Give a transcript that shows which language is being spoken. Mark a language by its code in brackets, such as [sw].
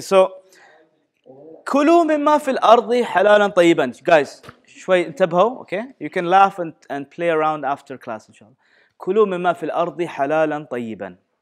[ar] So, كلوا مما في الأرض حلالا طيبا. Guys, شوي انتبهوا. Okay. [en] You can laugh and play around after class, inshallah. [ar] كلوا مما في الأرض حلالا طيبا.